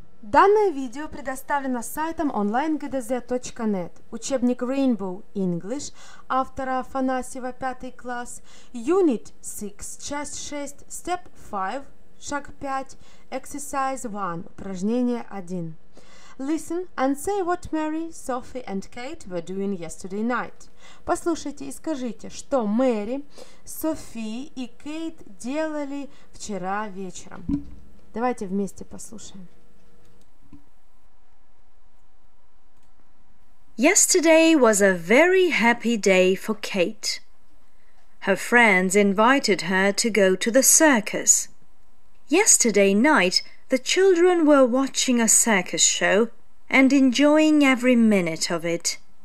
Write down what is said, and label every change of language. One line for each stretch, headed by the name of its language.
Russian: Данное видео предоставлено сайтом onlinegdz.net, учебник Rainbow English, автора Афанасьева, 5 класс, Unit 6, часть 6, Step 5, шаг 5, Exercise 1, упражнение 1.
English: Listen and say what Mary, Sophie and Kate were doing yesterday night.
Russian: Послушайте и скажите, что Мэри, Софи и Кейт делали вчера вечером. Давайте вместе послушаем.
English: Yesterday was a very happy day for Kate. Her friends invited her to go to the circus. Yesterday night, the children were watching a circus show and enjoying every minute of it.